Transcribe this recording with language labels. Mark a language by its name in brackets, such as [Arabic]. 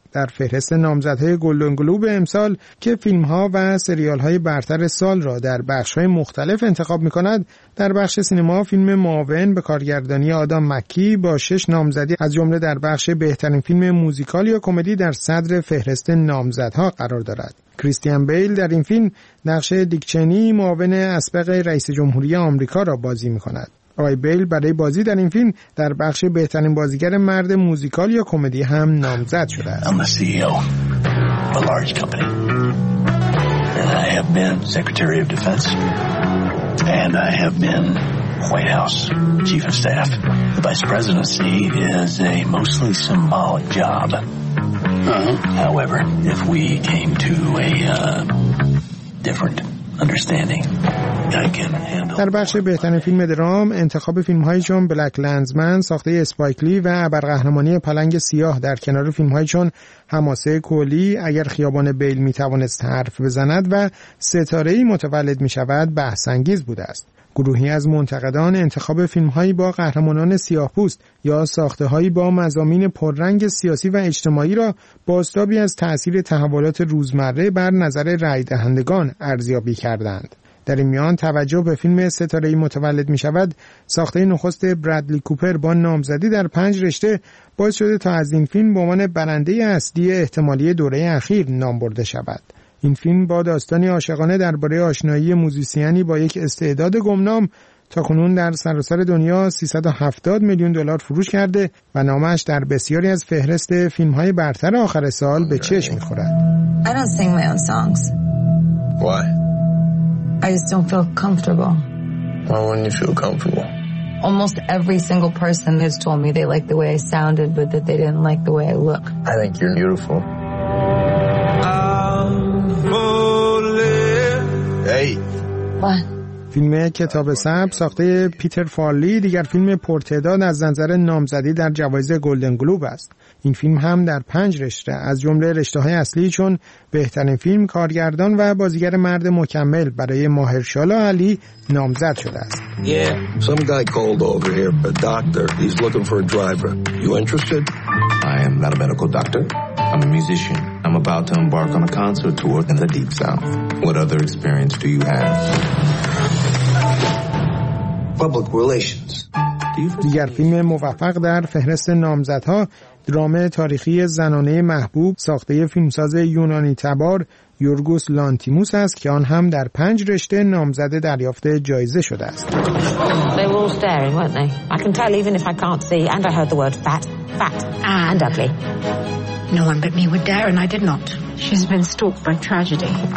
[Persian] در فهرست نامزدهای گلدن گلوب امسال که فیلمها و سریالهای برتر سال را در بخشهای مختلف انتخاب میکند، در بخش سینما فیلم معاون به کارگردانی آدام مکی با 6 نامزدی از جمله در بخش بهترین فیلم موزیکال یا کمدی در صدر فهرست نامزدها قرار دارد. کریستیان بیل در این فیلم نقش دیکچنی معاون اسبق رئیس جمهوری آمریکا را بازی می‌کند. آقای بیل برای بازی در این فیلم در بخش بهترین بازیگر مرد موزیکال یا کمدی هم نامزد شده است. [English] I'm a CEO of a large company. And I have been Secretary of Defense. And I have been White House Chief of Staff. The Vice Presidency is a mostly symbolic job. However, if we came to a different understanding, I can handle. [Persian] در بخش بهترین فیلم درام انتخاب فیلم های چون بلک لندزمن ساخته اسپایک لی و ابرقهرمانی پلنگ سیاه در کنار فیلم های چون حماسه کولی، اگر خیابان بیل می توانست حرف بزند و ستاره ای متولد می شود بحث انگیز بوده است. گروهی از منتقدان انتخاب فیلم‌هایی با قهرمانان سیاه‌پوست یا ساخته‌هایی با مضامین پررنگ سیاسی و اجتماعی را بازتابی از تأثیر تحولات روزمره بر نظر رای‌دهندگان ارزیابی کردند. در این میان توجه به فیلم ستاره‌ای متولد می‌شود، ساخته نخست برادلی کوپر با نامزدی در 5 رشته باعث شده تا از این فیلم به عنوان برنده اصلی احتمالی دوره اخیر نام برده شود. این فیلم با داستانی عاشقانه درباره آشنایی موزیسیانی با یک استعداد گمنام تا کنون در سراسر دنیا 370 میلیون دلار فروش کرده و نامش در بسیاری از فهرست فیلم‌های برتر آخر سال به چشم می‌خورد. [English] I don't sing my own songs. Why? I just don't feel comfortable. Why wouldn't you feel comfortable? Almost every single person has told me they liked the way I sounded but that they didn't like the way I look. I think you're beautiful. [Persian] فیلم کتاب سبز ساخته پیتر فارلی دیگر فیلم پرتعداد از نظر نامزدی در جوایز گلدن گلوب است. این فیلم هم در 5 رشته از جمله رشته‌های اصلی چون بهترین فیلم، کارگردان و بازیگر مرد مکمل برای ماهرشالا علی نامزد شده است. [English] Some guy called over here, a doctor. He's looking for a driver. You interested? I am not a medical doctor. I'm a musician. I'm about to embark on a concert tour in the deep south. What other experience do you have? Public relations. [Persian] دیگر فیلم موفق در فهرست نامزدها درام تاریخی زنانه محبوب ساخته فیلمساز یونانی تبار یورگوس لانتیموس است که آن هم در 5 رشته نامزد دریافت جایزه شده است. [English] They were all staring, weren't they? I can tell even if I can't see and I heard the word fat, fat and ugly. No one but me would dare and I did not. She's been stalked by tragedy.